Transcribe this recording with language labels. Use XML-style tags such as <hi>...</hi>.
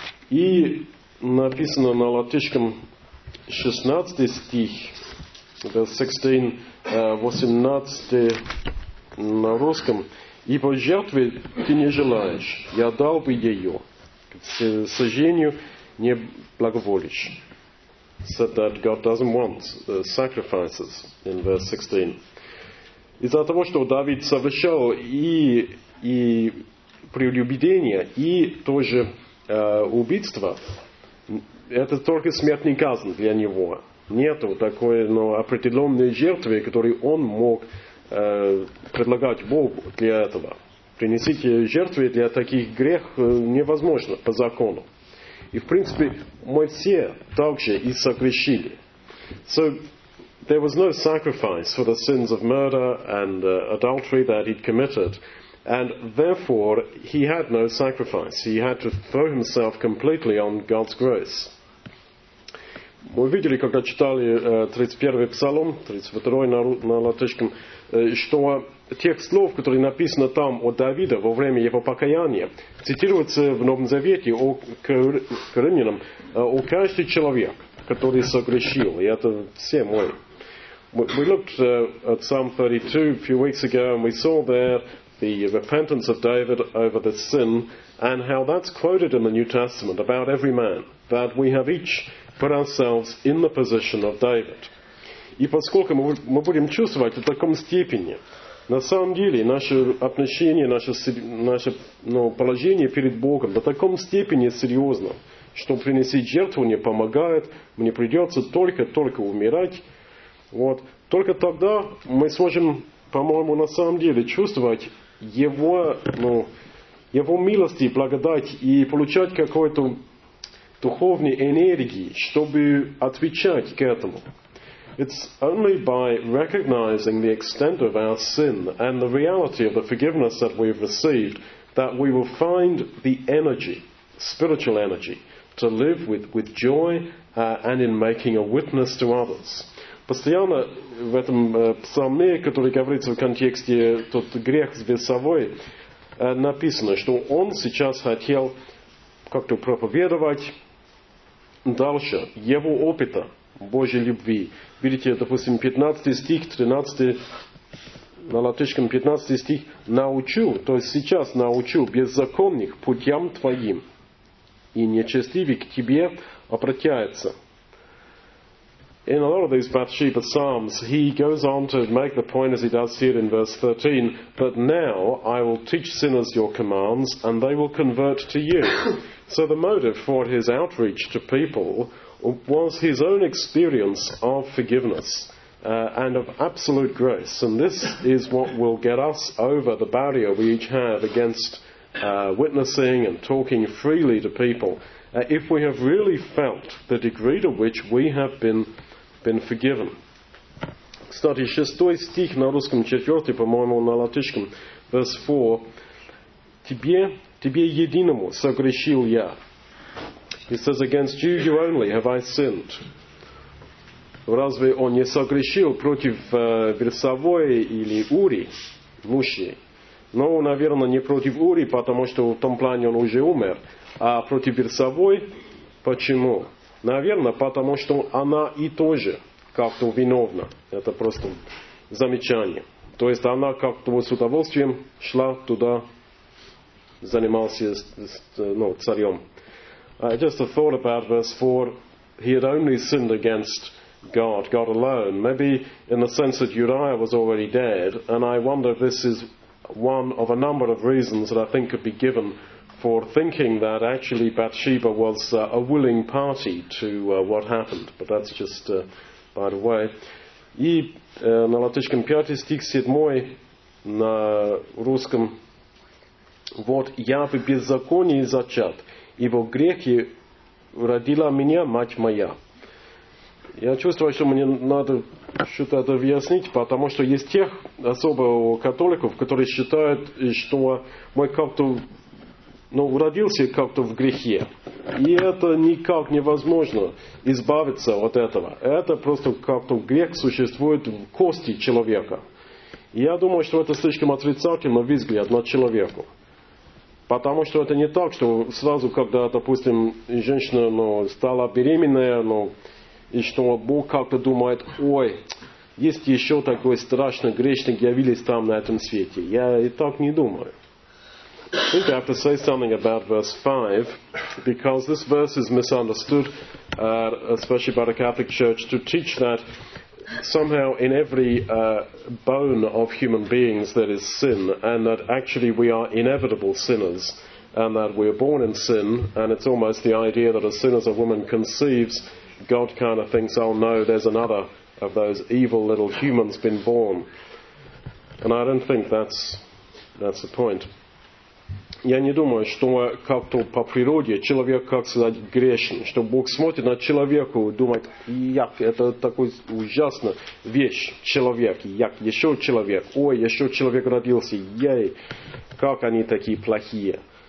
<ru>И написано на латышском 16 стих, 16-18 на русском. «Ибо жертвы ты не желаешь, я дал бы ее, к сожжению не благоволишь».</ru> <en>Said that God doesn't want sacrifices in verse 16.</en> <ru>Из-за того, что Давид совершал и прелюбодеяние, и тоже убийство, это только смертный казнь для него. Нету такой, но определенной жертвы, которую он мог предлагать Богу для этого. Принесите жертвы для таких грехов невозможно по закону. И, в принципе, мы все также и согрешили.</ru> <en>So, there was no sacrifice for the sins of murder and adultery that he'd committed. And, therefore, he had no sacrifice. He had to throw himself completely on God's grace.</en> <ru>Мы видели, когда читали 31-й псалом, 32-й на латышском, что тех слов, которые написаны там о Давиде во время его покаяния, цитируются в Новом Завете о Коринфянам, о каждый человек, который согрешил, и это все мы.</ru> <en>We looked at Psalm 32 a few weeks ago, and we saw there the repentance of David over the sin, and how that's quoted in the New Testament about every man, that we have each put ourselves in the position of David.</en> <ru>И поскольку мы будем чувствовать в таком степени, на самом деле наше отношение, наше положение перед Богом на таком степени серьезно, что принести жертву не помогает, мне придется только умирать. Вот. Только тогда мы сможем, по-моему, на самом деле чувствовать его милость и благодать и получать какую-то духовную энергию, чтобы отвечать к этому.</ru> <en>It's only by recognizing the extent of our sin and the reality of the forgiveness that we've received that we will find the energy, spiritual energy, to live with joy and in making a witness to others.</en> <ru>Постоянно в этом псалме, который говорится в контексте тот грех с весовой, написано, что он сейчас хотел как-то проповедовать дальше его опыта Божьей любви. Видите, допустим, 15 стих, 13, на латышском 15 стих, «Научу, то есть сейчас научу беззаконных путям твоим, и нечестивый к тебе обратяется».</ru> <en>In a lot of these Bathsheba Psalms, he goes on to make the point, as he does here in verse 13, «But now I will teach sinners your commands, and they will convert to you». So the motive for his outreach to people was his own experience of forgiveness and of absolute grace. And this is what will get us over the barrier we each have against witnessing and talking freely to people. If we have really felt the degree to which we have been forgiven.</en> <ru>Кстати, 6 стих на русском, 4, по-моему, на латышском,</ru> <en>verse 4.</en> <ru>Тебе единому согрешил я.</ru> <en>He says, against you only have I sinned.</en> <ru>Разве он не согрешил против Берсавой или Ури, Муши? Ну, наверное, не против Ури, потому что в том плане он уже умер. А против Берсавой? Почему? Наверное, потому что она и тоже как-то виновна. Это просто замечание. То есть она как-то с удовольствием шла туда, занималась царем.</ru> <en>Just a thought about verse 4, he had only sinned against God, God alone. Maybe in the sense that Uriah was already dead, and I wonder if this is one of a number of reasons that I think could be given for thinking that actually Bathsheba was a willing party to what happened. But that's just by the way.</en> <ru>И на латышском 5 стих 7 на русском, вот я в беззаконии зачат. Ибо грехи родила меня мать моя. Я чувствую, что мне надо что-то это объяснить, потому что есть тех, особо у католиков, которые считают, что мы как-то но родился как-то в грехе. И это никак невозможно избавиться от этого. Это просто как-то грех существует в кости человека. Я думаю, что это слишком отрицательный взгляд на человека. Потому что это не так, что сразу, когда, допустим, женщина стала беременная, и что Бог как-то думает, ой, есть еще такой страшный грешник, явились там на этом свете. Я и так не думаю.</ru> <en>I think I have to say something about verse 5, because this verse is misunderstood, especially by the Catholic Church, to teach that somehow in every bone of human beings there is sin, and that actually we are inevitable sinners, and that we are born in sin, and it's almost the idea that as soon as a woman conceives, God kind of thinks, oh no, there's another of those evil little humans been born. And I don't think that's the point.</en> <ru>Я не думаю, что как-то по природе человек, как сказать, грешен. Что Бог смотрит на человека и думает, як, это такой ужасная вещь, человек, як, еще человек, ой, еще человек родился, ей, как они такие плохие.</ru>